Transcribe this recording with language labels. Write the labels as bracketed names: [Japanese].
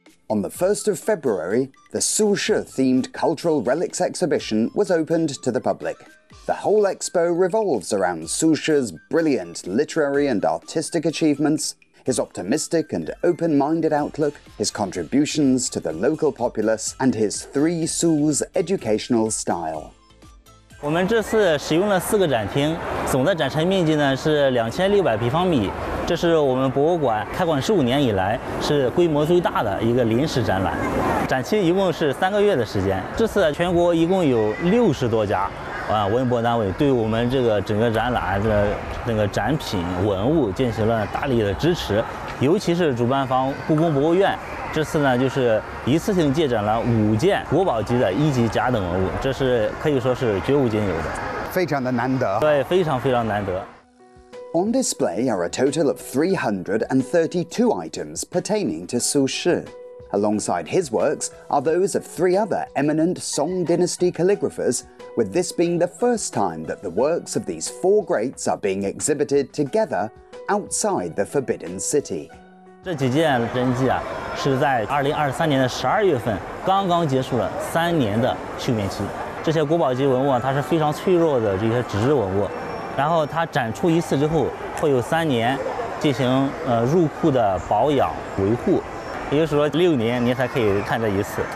[English] On the 1st of February, the 苏轼 themed cultural relics exhibition was opened to the public. The whole expo revolves around 苏轼's brilliant literary and artistic achievements, his optimistic and open-minded outlook, his contributions to the local populace, and his three 苏's educational style. [Chinese] 我们这次使用了四个展厅，总的展陈面积呢是2600平方米，这是我们博物馆开馆15年以来是规模最大的一个临时展览。展期一共是3个月的时间，这次全国一共有60多家文博单位对我们这个整个展览的那个展品文物进行了大力的支持，尤其是主办方故宫博物院。这次呢就是一次性借展了5件国宝级的一级甲等文物，这是可以说是绝无仅有的，非常的难得。对，非常非常难得。 [English] On display are a total of 332 items pertaining to 苏轼。 Alongside his works are those of three other eminent Song Dynasty calligraphers, with this being the first time that the works of these four greats are being exhibited together outside the Forbidden City. [Chinese] 这几件真迹啊，是在2023年的12月份刚刚结束了3年的休眠期。这些国宝级文物啊，它是非常脆弱的这些纸质文物，然后它展出一次之后，会有3年进行入库的保养维护，也就是说6年你才可以看这一次，